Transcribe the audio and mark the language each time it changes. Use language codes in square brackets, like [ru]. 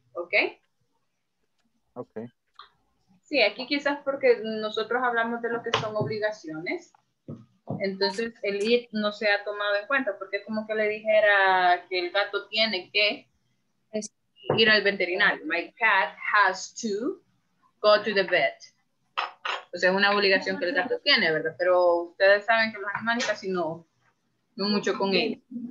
[en] ¿Ok? Ok. [es] Sí, aquí quizás porque nosotros hablamos de lo que son obligaciones. Entonces, el it no se ha tomado en cuenta, porque es como que le dijera que el gato tiene que ir al veterinario. [en] My cat has to go to the vet. [es] O sea, es una obligación que el gato tiene, ¿verdad? Pero ustedes saben que los animales casi no mucho con él.